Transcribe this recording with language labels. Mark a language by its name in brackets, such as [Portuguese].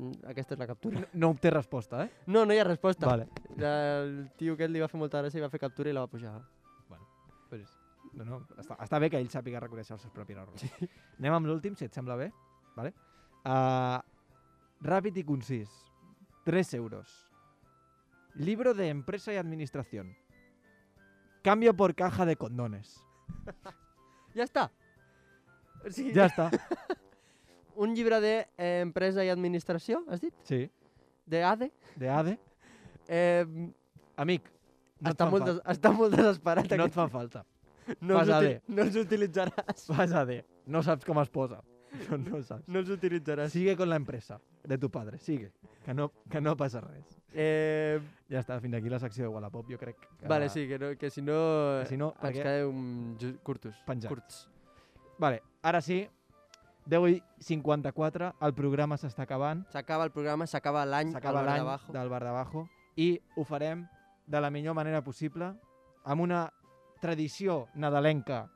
[Catalan] Aquesta és la captura. No obté resposta, eh? No hi ha resposta. Vale. El tio aquest li va fer molta gràcia i va fer captura i la va pujar. Bueno, pues, no, està bé que ell sàpiga reconèixer els seus propis errors. Sí. Anem amb l'últim, si et sembla bé. Vale? Ràpid i concís. 3 euros. [Spanish] Libro de empresa y administración. Cambio por caja de condones. [Catalan] Ja està. Sí. Ja està. Un llibre de empresa i administració, has dit? Sí. De ADE. De ADE. Amic, no està, molt està molt desesperat. No et fa falta. No els, no els utilitzaràs. Vas a ADE. No saps com es posa. No saps. No els utilitzaràs. [Spanish] Sigue con la empresa de tu padre, sigue. [Catalan] Que no passa res. Ja està, fins aquí la secció de Wallapop, jo crec. Que vale, sí, que, no, que si no, si no ens quedem curtos. Penjats. Curts. Vale, ara sí, 10:54, el programa s'està acabant. S'acaba el programa, s'acaba l'any, s'acaba l'any del Bar d'Abajo. I ho farem de la millor manera possible, amb una tradició nadalenca